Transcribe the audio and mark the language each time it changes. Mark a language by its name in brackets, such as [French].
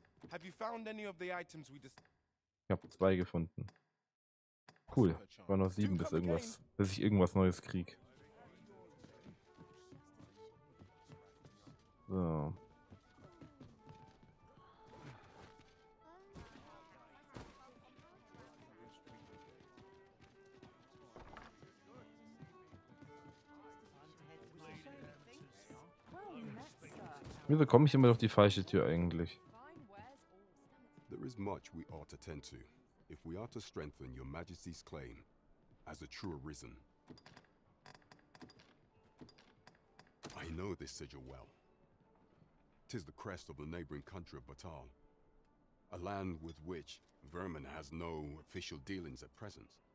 [English] Have you found any of the items we just... [German] Ich hab zwei gefunden. Cool, ich war noch 7, bis ich irgendwas Neues krieg. So. Wieso komme ich immer durch die falsche Tür eigentlich? [English] There is much we ought to tend to. If we are to strengthen your majesty's claim as a true arisen. I know this sigil well. 'Tis the crest of the neighboring country of Batal, a land with which vermin has no official dealings at present.